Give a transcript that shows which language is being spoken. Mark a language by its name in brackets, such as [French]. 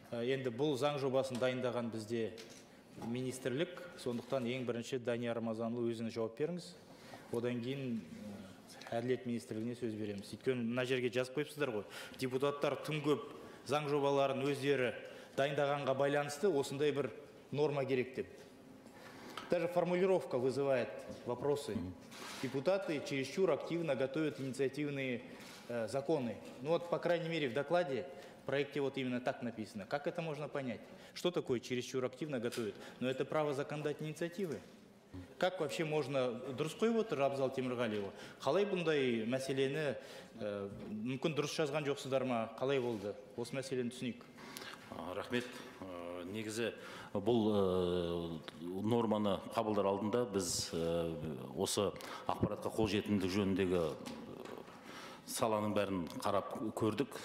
[Kazakh] Енді бұл заң жобасын дайындаған бізде министрлік, сондықтан ең бірінші Данияр Рамазанұлы өзіңіз жауап беріңіз. Одан кейін әділет министрлігіне сөз береміз. Өйткені мына жерге жазып қойыпсыздар ғой. Депутаттар тым көп заң жобаларын өздері дайындағанға байланысты осындай бір норма керек деп. [Russian] Даже формулировка вызывает вопросы. Депутаты чересчур активно готовят инициативные законы. Ну вот, по крайней мере, в докладе в проекте вот именно так написано. Как это можно понять? Что такое чересчур активно готовят? Но это право законодательной инициативы. Как вообще можно [Kazakh] дұрысқой отыр Абзал Темірғалиева? Қалай бұндай мәселені мүмкін дұрыс жазған жоқсыздар ма? Қалай болды? Осы мәселені түсінейік. Рахмет. Негізі бұл норманы қабылдар алдында біз осы ақпаратқа қол жетімді жөніндегі саланың бәрін қарап көрдік.